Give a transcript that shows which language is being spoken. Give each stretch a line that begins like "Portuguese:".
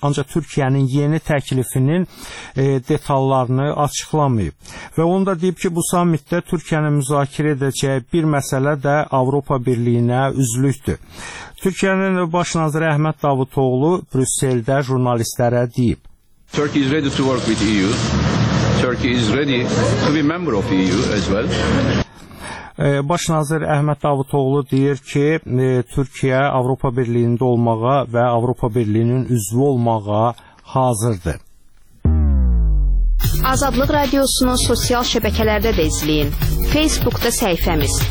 Azerbaijani: Ancaq Türkiyənin yeni təklifinin detallarını açıqlamayıb. Və onu da deyib ki, bu sammitdə Türkiyənin müzakirə edəcək bir məsələ də Avropa Birliyinə üzlükdür. Türkiyənin başnaziri Əhməd Davutoğlu Brüsseldə jurnalistlərə deyib.
English: Turkey is ready to work with EU. Turkey is ready to be a member of EU as well.
Azerbaijani: Başnazir Əhməd Davutoğlu deyir ki, Türkiyə Avropa Birliyində olmağa və Avropa Birliyinin üzvü olmağa hazırdır. Azadlıq Radiosunu sosial şəbəkələrdə də izləyin. Facebookda səhifəmiz